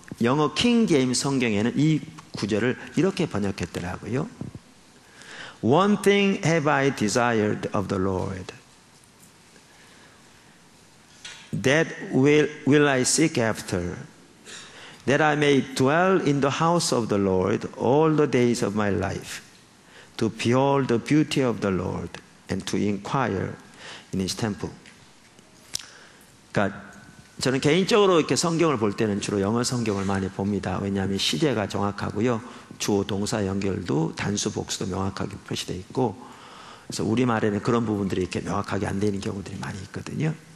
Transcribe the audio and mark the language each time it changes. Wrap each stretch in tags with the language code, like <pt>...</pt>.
<ko>영어 킹 제임스 성경에는 이 구절을 이렇게 번역했더라고요.</ko> <en>One thing have I desired of the Lord. That will I seek after, that I may dwell in the house of the Lord all the days of my life, to behold the beauty of the Lord and to inquire in his temple.</en> <ko>그러니까 저는 개인적으로 이렇게 성경을 볼 때는 주로 영어 성경을 많이 봅니다. 왜냐하면 시제가 정확하고요. 주어 동사 연결도 단수 복수도 명확하게 표시되어 있고, 그래서 우리말에는 그런 부분들이 이렇게 명확하게 안 되는 경우들이 많이 있거든요.</ko>